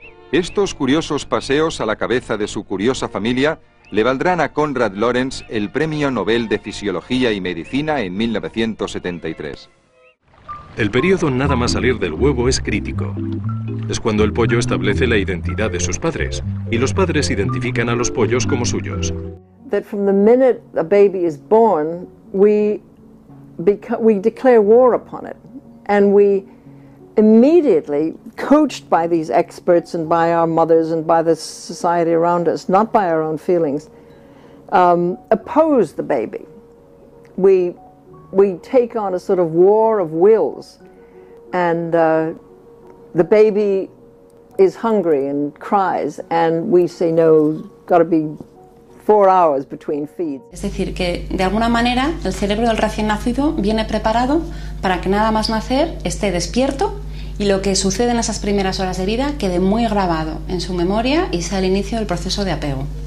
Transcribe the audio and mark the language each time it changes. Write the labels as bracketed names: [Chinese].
[Spanish] Estos curiosos paseos a la cabeza de su curiosa familia le valdrán a Conrad Lorenz el Premio Nobel de Fisiología y Medicina en 1973. El periodo nada más salir del huevo es crítico. Es cuando el pollo establece la identidad de sus padres y los padres identifican a los pollos como suyos. [English] That from the minute a baby is born, we declare war upon it, and we immediately, coached by these experts and by our mothers and by the society around us, not by our own feelings, oppose the baby. We take on a sort of war of wills, and the baby is hungry and cries, and we say no. Got to be 4 hours between feeds. [Spanish] Es decir, que de alguna manera el cerebro del recién nacido viene preparado para que nada más nacer esté despierto y lo que sucede en esas primeras horas de vida quede muy grabado en su memoria y sea el inicio del proceso de apego.